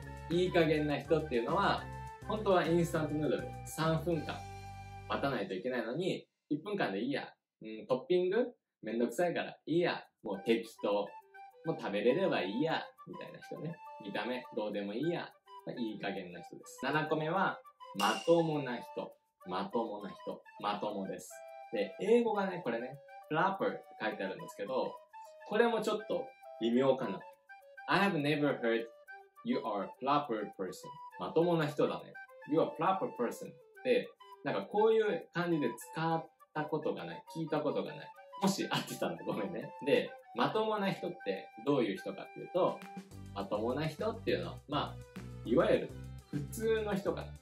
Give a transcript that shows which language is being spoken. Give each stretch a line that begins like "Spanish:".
Japanese: いい加減な人っていうのは、本当はインスタントヌードル3分間待たないといけないのに、1分間でいいや、うん、トッピングめんどくさいからいいや、もう適当、もう食べれればいいやみたいな人ね。見た目どうでもいいや、まあ、いい加減な人です。7個目はまともな人、まともな人、まともです。で、英語がね、これね、
English: proper
Japanese: って書いてあるんですけど、これもちょっと微妙かな。
English: I have never heard you are a proper person。
Japanese: まともな人だね。
English: You are a proper person
Japanese: って、なんかこういう感じで使ったことがない、聞いたことがない。もし合ってたらごめんね。で、まともな人ってどういう人かっていうと、まともな人っていうのは、まあいわゆる普通の人かな。